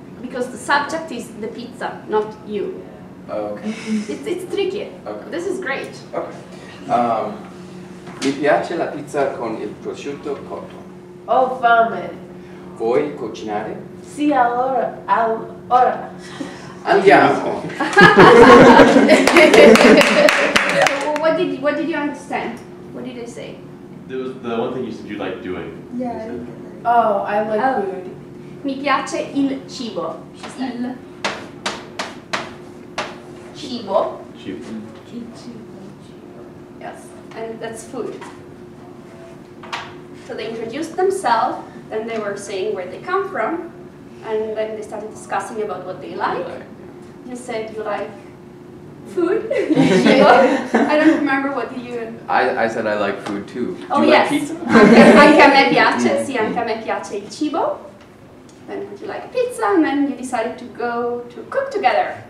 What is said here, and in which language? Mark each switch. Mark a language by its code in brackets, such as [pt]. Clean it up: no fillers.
[en] Because the subject is the pizza, not you. Okay. It's tricky. Okay. This is great. Okay. [it] Mi piace la pizza con il prosciutto cotto. Ho fame. Vuoi cucinare? Sì, allora. Allora. Andiamo. [en] What did you understand? What did I say? There was the one thing you said you like doing. Yeah. Food. [it] Mi piace il cibo. [en] She said. [it] Cibo. [en] Cibo. Yes, and that's food. So they introduced themselves, then they were saying where they come from, and then they started discussing about what they like. You said you like food. I don't remember what you. I said I like food too. Oh, do you yes. Like pizza? [it] Anche a me piace, sì, anche a me piace il cibo. [en] Then would you like pizza? And then you decided to go to cook together.